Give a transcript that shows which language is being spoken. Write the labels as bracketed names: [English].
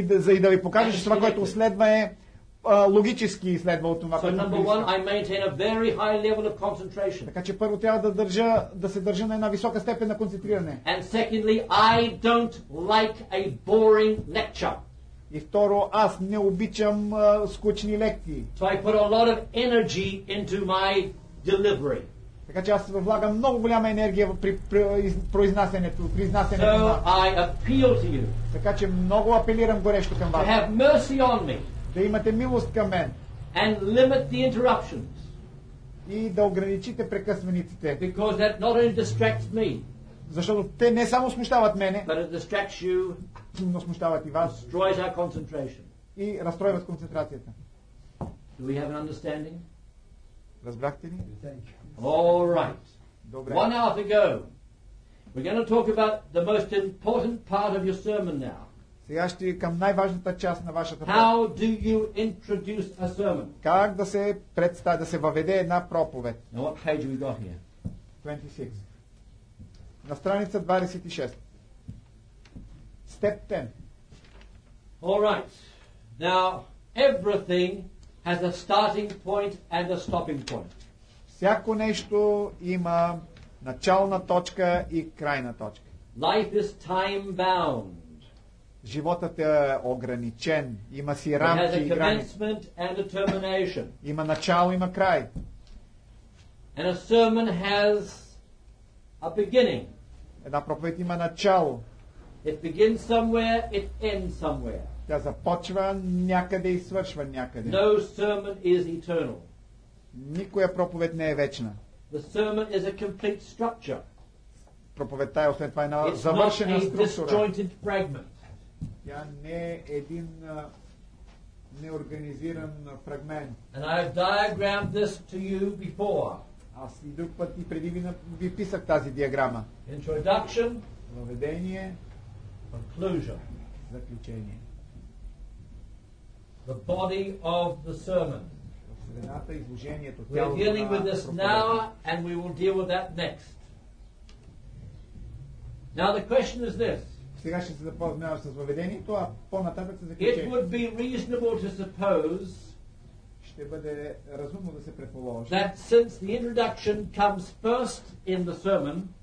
[Bulgarian] И да ви покажа, че това, което следва е логически следва от това, което [English] number one, I maintain a very high level of concentration. [Bulgarian] Така че първо трябва да се държа на една висока степен на концентриране. [English] And secondly, I don't like a boring lecture. [Bulgarian] И второ, аз не обичам скучни лекции. [English] So I put a lot of energy into my delivery. [Bulgarian] Така че аз влагам много голяма енергия при произнасянето. [English] So I appeal to you. [Bulgarian] Така че много апелирам горещо към вас. [English] To have mercy on me. [Bulgarian] Да имате милост към мен. [English] And limit the interruptions. [Bulgarian] И да ограничите прекъсваниците. [English] Because that not only distracts me. [Bulgarian] Защото те не само смущават мене. [English] But it distracts you. [Bulgarian] Но смущават и вас. [English] Destroys our concentration. [Bulgarian] И разстройват концентрацията. [English] Do we have an understanding? [Bulgarian] Разбрахте ли? [English] All right. [Bulgarian] Добре. [English] One hour to go. We're going to talk about the most important part of your sermon now. [Bulgarian] Сега ще към най-важната част на вашата проповед. Как да се представи, да се въведе една проповед? [English] Now what page we got here? [Bulgarian] 26. На страница 26. Step 10. [English] All right. Now everything has a starting point and a stopping point. [Bulgarian] Всяко нещо има начална точка и крайна точка. [English] Life is time bound. [Bulgarian] Животът е ограничен. Има си рамки и граници. Има начало, има край. [English] And a sermon has a beginning. [Bulgarian] Една проповед има начало. [English] It begins somewhere, it ends somewhere. [Bulgarian] Тя започва някъде и свършва някъде. [English] No sermon is eternal. [Bulgarian] Никоя проповед не е вечна. [English] The sermon is a complete structure. [Bulgarian] Проповедта е, освен това, една завършена структура. [English] It's not a disjointed fragment. [Bulgarian] Тя не е един неорганизиран фрагмент. [English] And I've diagrammed this to you before. [Bulgarian] Аз и друг път и преди ви писах тази диаграма. [English] Introduction. [Bulgarian] Въведение. [English] Conclusion. [Bulgarian] Заключение. [English] The body of the sermon. [Bulgarian] Средата, изложението, тялото. [English] We're dealing with this now and we will deal with that next. Now the question is this. [Bulgarian] Сега ще се запознаваш с въведението, а по-нататък се заключение. [English] It would be reasonable to suppose, [Bulgarian] ще бъде разумно да се предположи, [English] that since the introduction comes first in the sermon,